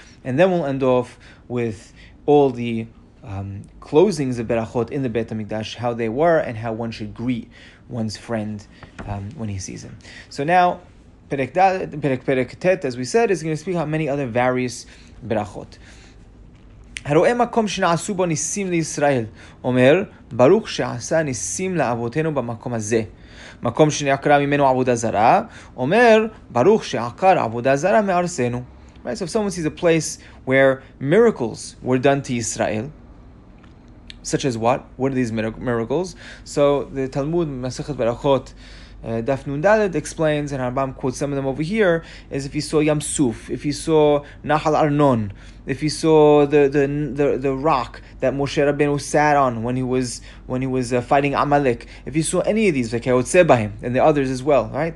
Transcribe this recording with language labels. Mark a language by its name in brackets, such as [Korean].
[English] And then we'll end off with all the closings of Berachot in the Beit HaMikdash, how they were and how one should greet one's friend when he sees him. So now, Perek Tet, as we said, is going to speak about many other various Berachot. [Hebrew] הרואה מקום שנעשו בו ניסים לישראל, אומר, ברוך שעשה ניסים לאבותינו במקום הזה. מקום שנעקרה ממנו עבודה זרה, אומר, ברוך שעקר עבודה זרה מארסנו. [English] Right, so if someone sees a place where miracles were done to Israel, such as what? What are these miracles? So the Talmud, Masechet Berachot, Daf Nun Dalet explains, and Rambam quotes some of them over here, is if he saw Yam Suf, if he saw Nahal Arnon, if he saw the rock that Moshe Rabbeinu sat on when he was fighting Amalek, if he saw any of these, like Yotzebahim, and the others as well, right?